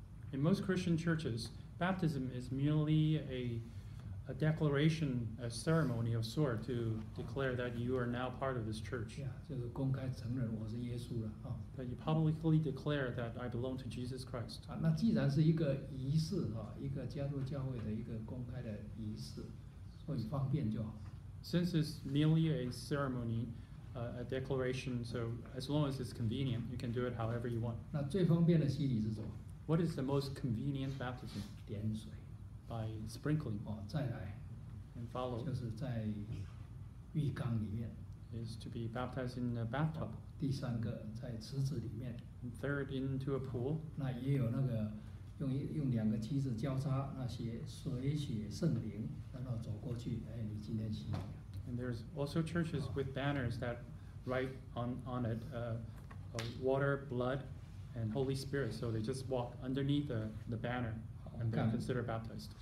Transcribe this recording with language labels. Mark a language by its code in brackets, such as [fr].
[en] In most Christian churches, baptism is merely a declaration, a ceremony of sort to declare that you are now part of this church. [zh] Yeah, 就是公开承认我是耶稣了。 [en] That you publicly declare that I belong to Jesus Christ. [zh] 那既然是一个仪式，一个加入教会的一个公开的仪式，所以方便就好。 [en] Since it's merely a ceremony, a declaration, so as long as it's convenient, you can do it however you want. [zh] 那最方便的洗礼是什么？ [en] What is the most convenient baptism? [zh] 点水 [en] by sprinkling. [zh] 再来 [en] and follow. [zh] 就是在浴缸里面 [en] is to be baptized in a bathtub. [zh] 第三个在池子里面 [en] and third into a pool. [zh] 那也有那个用两个梯子交叉，那些水血圣灵，然后走过去，哎，你今天洗礼。 [en] And there's also churches with banners that write on it, water, blood. And Holy Spirit, so they just walk underneath the banner and they're considered baptized.